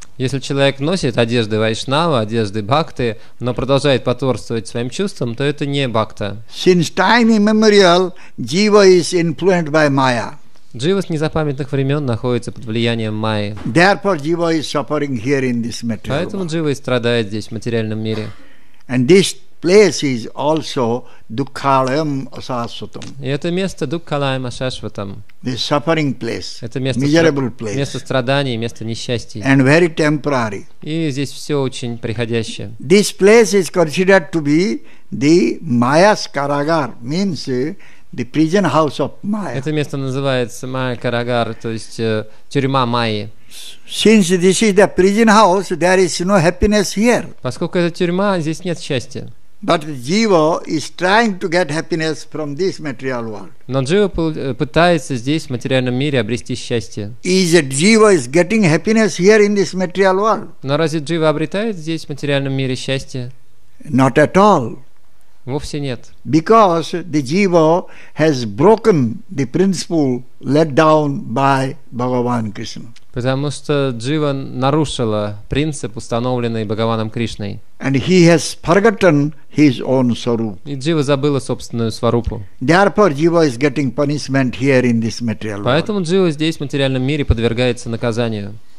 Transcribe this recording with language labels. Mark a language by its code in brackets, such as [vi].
[ru] Если человек носит одежды вайшнава, одежды бхакты, но продолжает потворствовать своим чувствам, то это не бхакта. [en] Since time immemorial, jiva is influenced by maya. [ru] Джива с незапамятных времен находится под влиянием майи. [en] Therefore, jiva is suffering here in this material. [ru] Поэтому джива и страдает здесь в материальном мире. [en] And this place is also [sa] Dukkhalayam Ashashvatam. [ru] И это место [sa] Dukkhalayam Ashashvatam. [en] The suffering place. [ru] Это место, [en] miserable place. [ru] Место страданий, место несчастья. [en] And very temporary. [ru] И здесь все очень приходящее. [en] This place is considered to be the Maya's Karagar, means the prison house of Maya. [ru] Это место называется Maya Karagar, то есть тюрьма Майи. [en] Since this is the prison house, there is no happiness here. [ru] Поскольку это тюрьма, здесь нет счастья. [en] But jiva is trying to get happiness from this material world. [ru] Но джива пытается здесь, в материальном мире, обрести счастье. [en] Is jiva is getting happiness here in this material world? [ru] Но разве джива обретает здесь, в материальном мире, счастье? [en] Not at all. [ru] Вовсе нет. [en] Because the jiva has broken the principle laid down by Bhagavan Krishna. [ru] Потому что Джива нарушила принцип, установленный Бхагаваном Кришной. [en] And he has forgotten his own swarup. [ru] И Джива забыла собственную сварупу. [en] Therefore, Jiva is getting punishment here in this material world. [ru] Поэтому Джива здесь, в материальном мире, подвергается наказанию.